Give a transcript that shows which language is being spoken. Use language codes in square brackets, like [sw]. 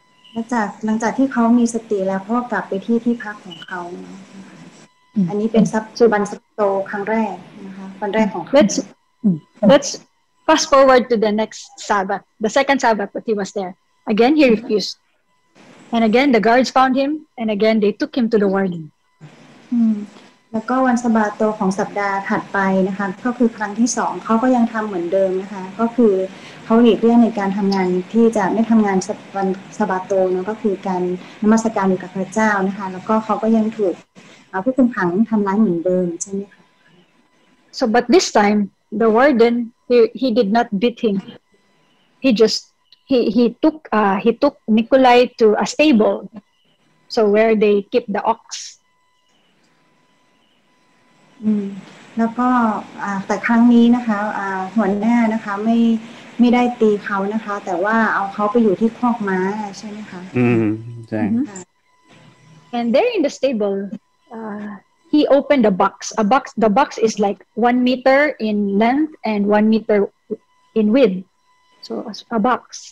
[th] หลังจากที่เขามีสติแล้วเขากลับไปที่พักของเขาอันนี้เป็นซับซูบันสโตครั้งแรกนะคะวันแรกของ [en] Let's fast forward to the next Sabbath the second Sabbath but he was there again he refused and again the guards found him and again they took him to the warden [th] แล้วก็วันสะบาโตของสัปดาห์ถัดไปนะคะก็คือครั้งที่สองเขาก็ยังทำเหมือนเดิมนะคะก็คือเขาหลีกเลี่ยงในการทำงานที่จะไม่ทำงานวันสะบาโตนะก็คือการนมัสการอยู่กับพระเจ้านะคะแล้วก็เขาก็ยังถูกผู้คุมขังทำร้ายเหมือนเดิมใช่ไหมคะ [en] So but this time the warden he did not beat him he just he took Nikolai to a stable so where they keep the ox [th] แล้วก็แต่ครั้งนี้นะคะหัวหน้านะคะไม่ได้ตีเขานะคะแต่ว่าเอาเขาไปอยู่ที่คอกม้าใช่ไหมคะ ใช่ [en] and there in the stableHe opened a box. A box. The box is like 1 meter in length and 1 meter in width. So a box.